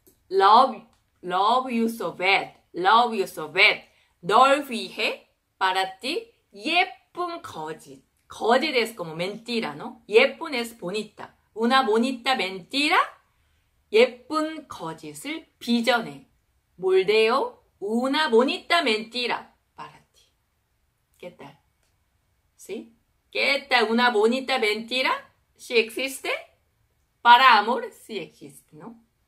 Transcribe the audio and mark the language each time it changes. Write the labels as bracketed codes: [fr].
[ko] 나 위해 예쁜 거짓을 빚었네. [en] Love you so bad. [ko] 널 위해, [es] para ti, [ko] 예쁜 거짓. [es] 거짓 es como mentira, ¿no? 예쁜 es bonita. Una bonita mentira, [ko] 예쁜 거짓을 빚어내. [es] Moldeo, una bonita mentira para ti. ¿Qué tal? ¿Sí? ¿Qué tal una bonita mentira? Si existe, para amor, si existe, ¿no?